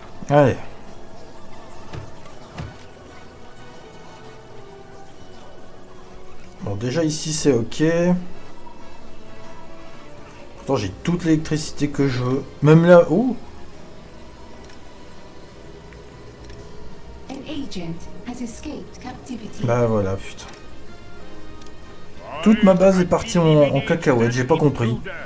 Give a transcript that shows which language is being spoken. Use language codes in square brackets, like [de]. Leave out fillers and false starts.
[fr] Allez. Bon, déjà ici c'est ok. Pourtant j'ai toute l'électricité que je veux. Même là. Oh. [en] An agent has escaped captivity. [fr] Bah voilà, putain. Toute ma base est partie en cacahuète, j'ai pas compris.